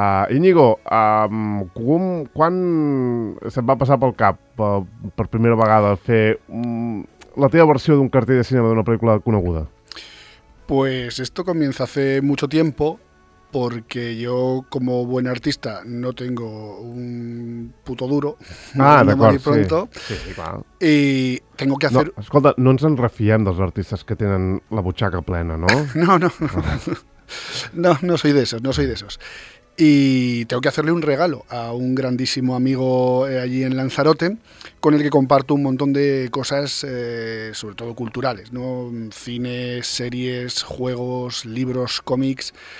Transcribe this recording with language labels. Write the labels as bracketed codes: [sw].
[ca] Íñigo, quan se't va passar pel cap per primera vegada fer la teva versió d'un cartell de cinema d'una pel·lícula coneguda? [es] Pues esto comienza hace mucho tiempo, porque yo, como buen artista, no tengo un puto duro. [ca] Ah, d'acord, sí. Sí, clar. [es] I tengo que hacer... [ca] No, escolta, no ens en refiem dels artistes que tenen la butxaca plena, no? No. [es] No, no soy de esos, no soy de esos. Y tengo que hacerle un regalo a un grandísimo amigo allí en Lanzarote, con el que comparto un montón de cosas, sobre todo culturales, ¿no? Cines, series, juegos, libros, cómics...